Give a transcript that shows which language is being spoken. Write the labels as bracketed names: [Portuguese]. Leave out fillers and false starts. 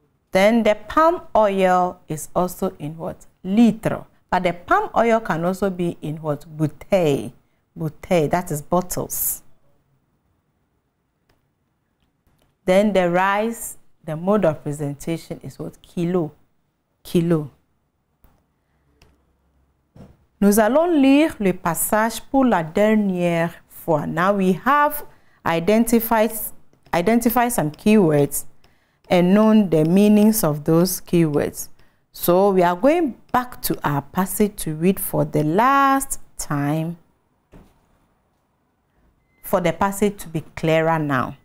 [English] Then the palm oil is also in what? Litre. But the palm oil can also be in what? Bouteille. Bouteille, that is bottles. Then the rice, the mode of presentation is what? Kilo. Kilo. [French] Nous allons lire le passage pour la dernière fois. [English] Now we have identified some keywords and known the meanings of those keywords. So we are going back to our passage to read for the last time for the passage to be clearer now.